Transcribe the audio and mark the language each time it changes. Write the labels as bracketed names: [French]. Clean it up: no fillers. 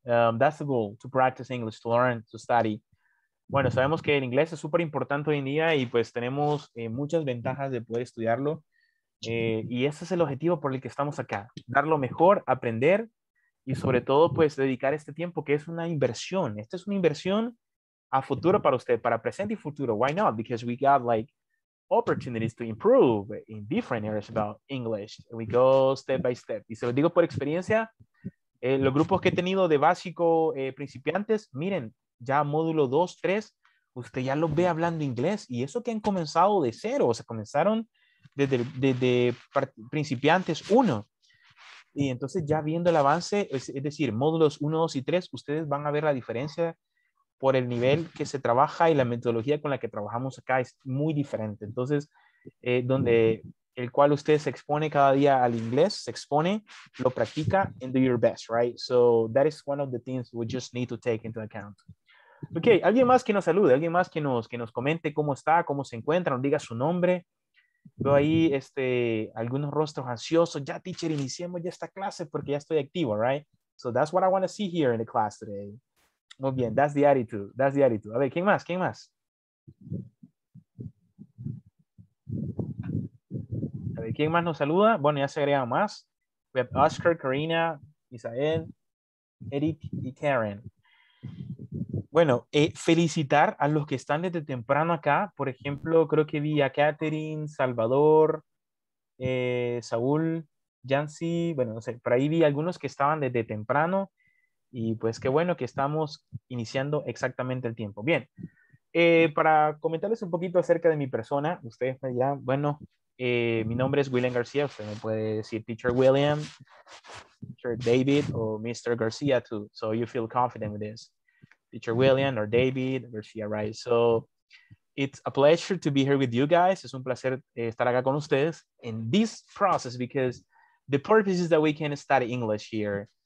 [English] That's the goal, to practice English, to learn, to study. [Spanish] Bueno, sabemos que el inglés es súper importante hoy en día y pues tenemos muchas ventajas de poder estudiarlo. Y ese es el objetivo por el que estamos acá. Dar lo mejor, aprender y sobre todo pues dedicar este tiempo que es una inversión. Esta es una inversión a futuro para usted, para presente y futuro. [English] Why not? Because we got like opportunities to improve in different areas about English. We go step by step. [Spanish] Y se lo digo por experiencia, los grupos que he tenido de básico principiantes, miren, ya módulo 2, 3, usted ya los ve hablando inglés y eso que han comenzado de cero, o sea, comenzaron desde principiantes 1. Y entonces ya viendo el avance, es decir, módulos 1, 2 y 3, ustedes van a ver la diferencia por el nivel que se trabaja y la metodología con la que trabajamos acá es muy diferente. Entonces, donde el cual usted se expone cada día al inglés, se expone, lo practica, [English] and do your best, right? So that is one of the things we just need to take into account. [Spanish] Okay, alguien más que nos salude, alguien más que nos comente cómo está, cómo se encuentra, nos diga su nombre. Veo ahí algunos rostros ansiosos. Ya, teacher, iniciemos ya esta clase porque ya estoy activo, right? [English] So that's what I want to see here in the class today. [Spanish] Muy bien, [English] that's the attitude, that's the attitude. [Spanish] A ver, ¿quién más? ¿Quién más? A ver, ¿quién más nos saluda? Bueno, ya se agregan más. We have Oscar, Karina, Isabel, Eric y Karen. Bueno, felicitar a los que están desde temprano acá. Por ejemplo, creo que vi a Catherine, Salvador, Saúl, Yancy. Bueno, no sé, por ahí vi algunos que estaban desde temprano. Y pues qué bueno que estamos iniciando exactamente el tiempo. Bien, para comentarles un poquito acerca de mi persona, ustedes me dirán, bueno, mi nombre es William García, usted me puede decir Teacher William, Teacher David o Mr. [English] García too, so you feel confident with this. Teacher William or David García, right? So it's a pleasure to be here with you guys, [Spanish] es un placer estar acá con ustedes [English] in this process because the purpose is that we can study English here.